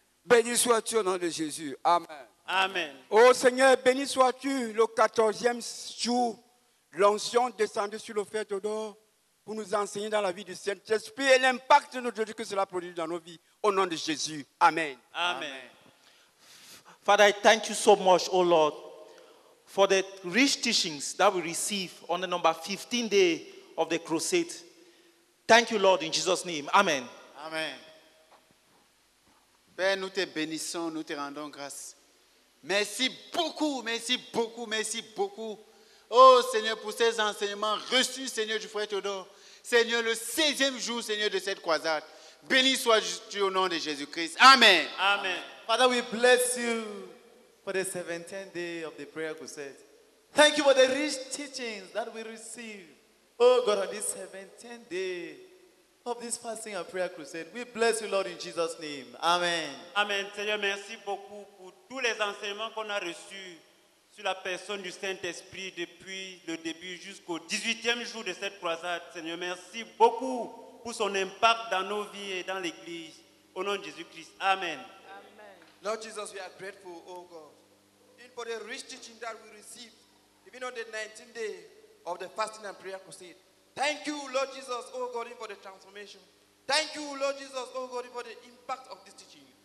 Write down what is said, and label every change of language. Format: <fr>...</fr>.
<fr>Béni sois-tu au nom de Jésus. Amen. Amen. Oh Seigneur, béni sois-tu le 14e jour. L'onction descendue sur le frère Théodore pour nous enseigner dans la vie du Saint-Esprit et l'impact de notre Dieu que cela produit dans nos vies. Au nom de Jésus. Amen. Amen.</fr> <en>Father, I thank you so much, oh Lord, for the rich teachings that we receive on the number 15 day of the crusade. Thank you, Lord, in Jesus' name. Amen. Amen.</en> <fr>Père, nous te bénissons, nous te rendons grâce. Merci beaucoup, merci beaucoup, merci beaucoup. Oh Seigneur, pour ces enseignements reçus, Seigneur, du frère Théodore, Seigneur, le 16e jour, Seigneur, de cette croisade, béni sois-tu au nom de Jésus-Christ. Amen. Amen.</fr> <en>Father, we bless you for the 17th day of the prayer crusade. Thank you for the rich teachings that we receive, oh God, on this 17th day of this fasting and prayer crusade. We bless you, Lord, in Jesus' name. Amen. Amen.</en> <fr>Seigneur, merci beaucoup pour tous les enseignements qu'on a reçus sur la personne du Saint-Esprit depuis le début jusqu'au 18e jour de cette croisade. Seigneur, merci beaucoup pour son impact dans nos vies et dans l'Église. Au nom de Jésus-Christ. Amen. Amen.</fr> <en>Lord Jesus, we are grateful, oh God, even for the rich teaching that we received, even on the 19th day of the fasting and prayer crusade. Thank you, Lord Jesus, oh God, for the transformation. Thank you, Lord Jesus, oh God, for the impact of this teaching.</en>